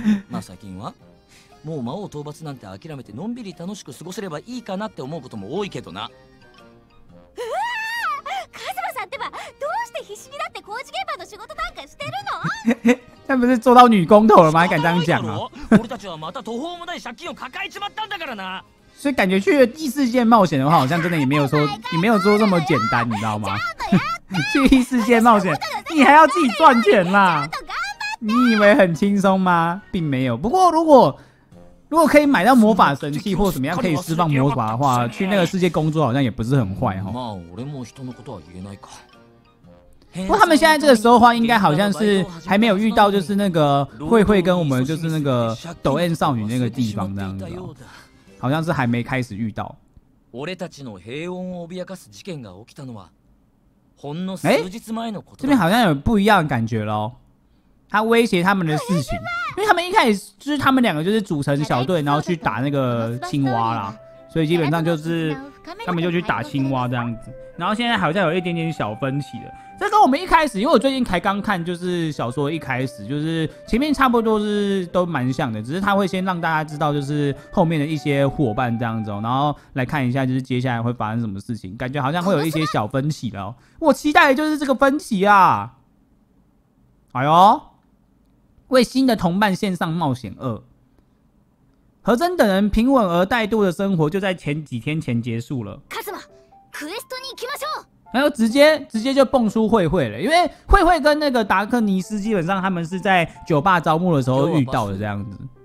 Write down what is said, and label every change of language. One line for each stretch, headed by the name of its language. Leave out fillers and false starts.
Japanese: まあ最近はもう魔王討伐なんて諦めてのんびり楽しく過ごせればいいかなって思うことも多いけどな。カズマさんってばどうして必死になって工事現場の仕事なんかしてるの？
Chinese: 那不是做到女工头了吗？还敢这样讲啊！
Japanese: 俺たちはまた途方もない借金を抱えちまったんだからな。
Chinese: 所以感觉去异世界冒险的话，好像真的也没有说这么简单，你知道吗？去异世界冒险，你还要自己赚钱啦！你以为很轻松吗？并没有。不过如果可以买到魔法神器或什么样可以释放魔法的话，去那个世界工作好像也不是很坏哈。
Japanese: 俺も人のことは言えないか。
Chinese: 不过他们现在这个时候的话，应该好像是还没有遇到，就是那个慧慧跟我们就是那个抖 N 少女那个地方这样子，好像是还没开始遇到。
Japanese: 俺たちの平穏を脅かす事件が起きたのはほんの数日前のこと。
Chinese: 这边好像有不一样的感觉喽，他威胁他们的事情，因为他们一开始就是他们两个就是组成小队，然后去打那个青蛙啦，所以基本上就是他们就去打青蛙这样子，然后现在好像有一点点小分歧了。这跟我们一开始，因为我最近才刚看，就是小说一开始就是前面差不多是都蛮像的，只是他会先让大家知道就是后面的一些伙伴这样子、喔，然后来看一下就是接下来会发生什么事情，感觉好像会有一些小分歧了、喔。我期待的就是这个分歧啊！哎呦，为新的同伴献上冒险二，和真等人平稳而怠惰的生活就在前几天前结束了。
Japanese: カズマ、クエストに行きましょう。
Chinese: 然后直接就蹦出慧慧了，因为慧慧跟那个达克尼斯基本上他们是在酒吧招募的时候遇到的这样子。